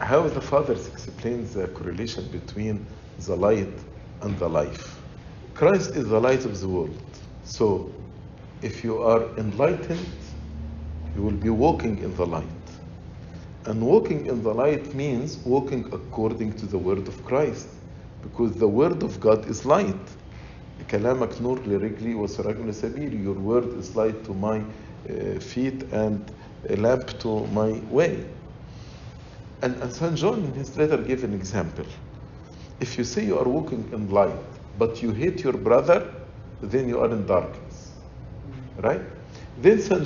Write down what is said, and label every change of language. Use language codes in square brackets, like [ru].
[en] How the fathers explain the correlation between the light and the life. Christ is the light of the world. So, if you are enlightened, you will be walking in the light. And walking in the light means walking according to the word of Christ. Because the word of God is light. [ar] كلامك نور لرجلي وسراج لسبيلي. [en] Your word is light to my feet and a lamp to my way. And St. John in his letter gave an example. If you say you are walking in light, but you hate your brother, then you are in darkness. Right? Then St.